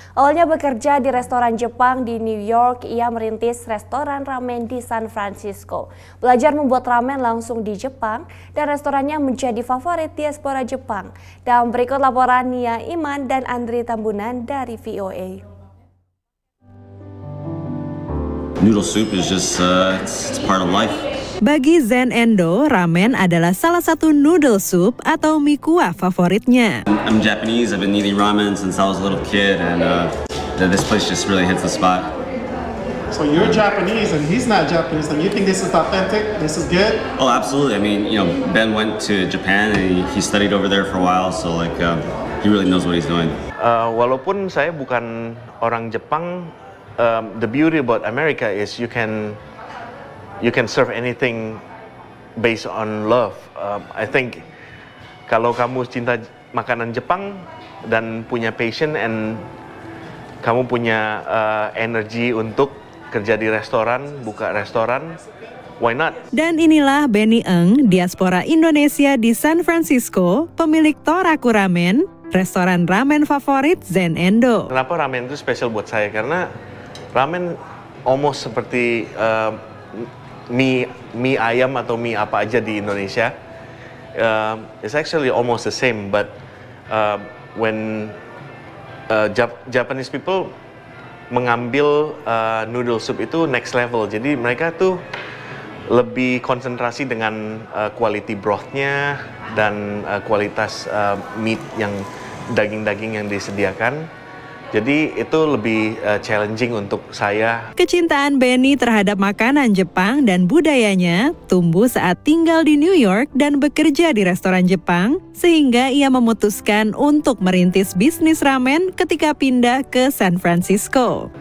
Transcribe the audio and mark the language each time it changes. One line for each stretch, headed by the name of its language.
Indonesian: Awalnya bekerja di restoran Jepang di New York, ia merintis restoran ramen di San Francisco. Belajar membuat ramen langsung di Jepang dan restorannya menjadi favorit diaspora Jepang. Dan berikut laporan Nia Iman dan Andri Tambunan dari VOA.
English: Noodle soup is just it's part of life.
Indonesian: Bagi Zen Endo, ramen adalah salah satu noodle soup atau mie kuah favoritnya.
English: I'm Japanese. I've been eating ramen since I was a little kid, and this place just really hits the spot. So you're Japanese, and he's not Japanese, and you think this is authentic? This is good? Oh, absolutely. I mean, you know, Ben went to Japan and he studied over there for a while, so he really knows what he's doing.
Indonesian: Walaupun saya bukan orang Jepang,
English: The beauty about America is you can serve anything based on love. I think
Indonesian: kalau kamu cinta makanan Jepang dan punya passion and kamu punya energi untuk kerja di restoran, buka restoran,
English: why not?
Indonesian: Dan inilah Benny Eng, diaspora Indonesia di San Francisco, pemilik Toraku Ramen, restoran ramen favorit Zen Endo. Kenapa ramen itu spesial buat saya? Karena ramen almost seperti mie ayam atau mie apa aja di Indonesia.
English: It's actually almost the same, but when Japanese people
Indonesian: mengambil noodle soup itu
English: next level.
Indonesian: Jadi mereka tuh lebih konsentrasi dengan quality broth-nya dan kualitas meat yang daging-daging yang disediakan. Jadi itu lebih challenging untuk saya. Kecintaan Benny terhadap makanan Jepang dan budayanya tumbuh saat tinggal di New York dan bekerja di restoran Jepang, sehingga ia memutuskan untuk merintis bisnis ramen ketika pindah ke San Francisco.